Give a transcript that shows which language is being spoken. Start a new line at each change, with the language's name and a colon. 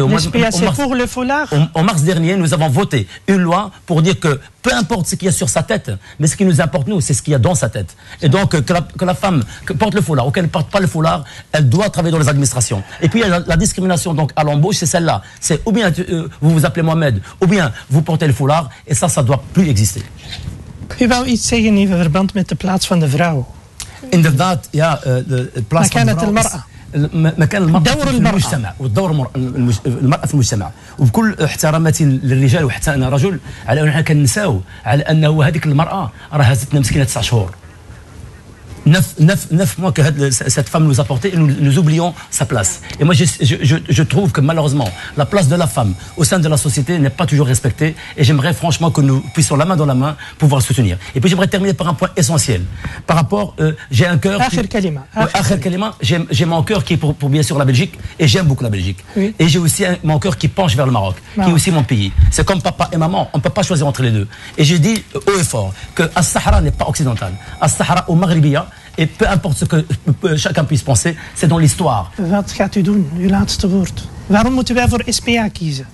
French: En mars dernier, nous avons voté une loi pour dire que peu importe ce qu'il y a sur sa tête, mais ce qui nous importe, nous, c'est ce qu'il y a dans sa tête. Et donc, que la femme porte le foulard ou qu'elle ne porte pas le foulard, elle doit travailler dans les administrations. Et puis, il y a la discrimination donc, à l'embauche, c'est celle-là. C'est ou bien vous vous appelez Mohamed, ou bien vous portez le foulard, et ça ne doit plus exister.
Dutch: Je wou iets zeggen in verband met de plaats van de vrouw. Inderdaad, ja, de plaats van de vrouw.
Arabic: مكان المرأة في المجتمع وبكل احتراماتي للرجال وحتى أنا رجل على أننا كننساو على أنه هذه المرأة راه هزتنا مسكينة 9 شهور
French: 9 mois que cette femme nous a porté et nous oublions sa place. Et moi, je trouve que malheureusement, la place de la femme au sein de la société n'est pas toujours respectée et j'aimerais franchement que nous puissions la main dans la main pouvoir soutenir. Et puis, j'aimerais terminer par un point essentiel. Par rapport, j'ai un cœur...
Arabic: Akhir Kalima,
French: j'ai mon cœur qui est pour bien sûr la Belgique et j'aime beaucoup la Belgique. Oui. Et j'ai aussi mon cœur qui penche vers le Maroc, qui est aussi mon pays. C'est comme papa et maman, on ne peut pas choisir entre les deux. Et je dis haut et fort que Al-Sahara n'est pas occidental.
Arabic: Al-Sahara au Maghribia.
French: Et peu importe ce que chacun puisse penser, c'est dans l'histoire.
Dutch: Wat gaat u doen, uw laatste woord? Waarom moeten wij voor SPA kiezen?